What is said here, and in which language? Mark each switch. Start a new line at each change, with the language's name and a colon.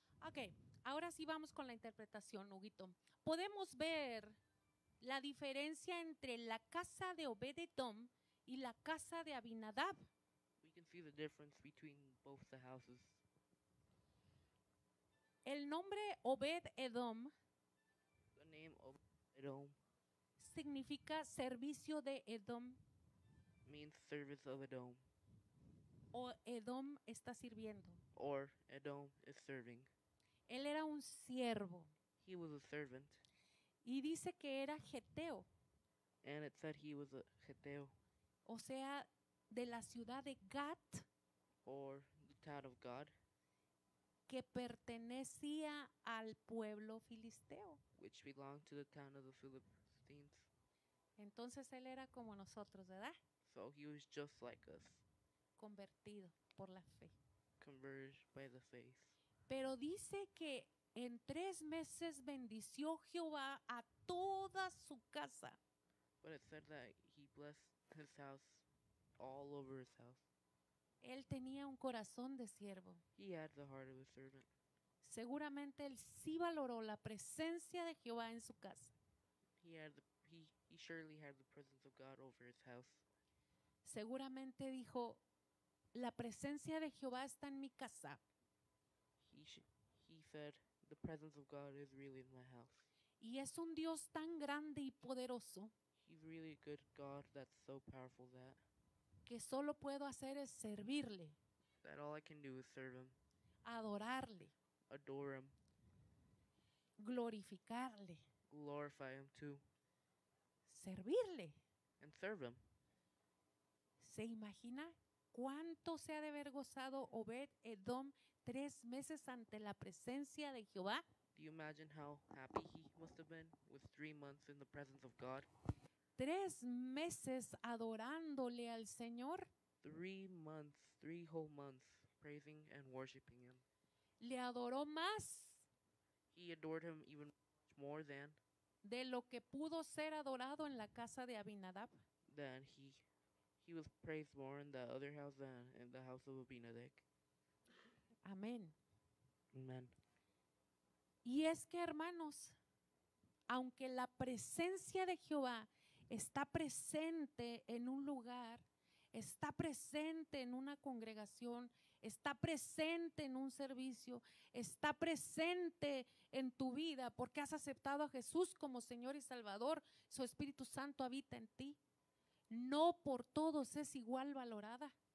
Spanish: Okay, ahora sí vamos con la interpretación, Huguito. Podemos ver la diferencia entre la casa de Obed-Edom y la casa de Abinadab.
English: We can see the difference between both the houses.
Spanish: El nombre Obed-Edom,
English: the name Obed-Edom,
Spanish: significa servicio de Edom.
English: Means service of Edom.
Spanish: O Edom está sirviendo.
English: Or Edom is serving.
Spanish: Él era un siervo.
English: He was a servant.
Spanish: Y dice que era geteo.
English: And it said he was a geteo.
Spanish: O sea, de la ciudad de Gat.
English: Or the town of God.
Spanish: Que pertenecía al pueblo filisteo.
English: Which belonged to the town of the Philistines.
Spanish: Entonces él era como nosotros, ¿verdad?
English: So he was just like us.
Spanish: Convertido por la fe.
English: Converted by the faith.
Spanish: Pero dice que en 3 meses bendició Jehová a toda su casa.
English: But it said that he blessed his house, all over his house.
Spanish: Él tenía un corazón de siervo.
English: He had the heart of a servant.
Spanish: Seguramente él sí valoró la presencia de Jehová en su casa.
English: He surely had the presence of God over his house.
Spanish: Seguramente dijo, la presencia de Jehová está en mi casa.
English: He said, the presence of God is really in my house.
Spanish: Y es un Dios tan grande y poderoso.
English: He's really a good God that's so powerful that.
Spanish: Que solo puedo hacer es servirle.
English: That all I can do is serve him.
Spanish: Adorarle.
English: Adore him.
Spanish: Glorificarle.
English: Glorify him too.
Spanish: Servirle.
English: And serve him.
Spanish: ¿Se imagina cuánto se ha de haber gozado Obed-Edom 3 meses ante la presencia de Jehová?
English: Do you imagine how happy he must have been with 3 months in the presence of God?
Spanish: 3 meses adorándole al Señor.
English: 3 months, 3 whole months, praising and worshiping him.
Spanish: Le adoró más.
English: He adored him even more than.
Spanish: De lo que pudo ser adorado en la casa de Abinadab.
English: Than he was praised more in the other house than in the house of Abinadab.
Spanish: Amén.
English: Amen.
Spanish: Y es que, hermanos, aunque la presencia de Jehová está presente en un lugar, está presente en una congregación, está presente en un servicio, está presente en tu vida porque has aceptado a Jesús como Señor y Salvador, su Espíritu Santo habita en ti, no por todos es igual valorada.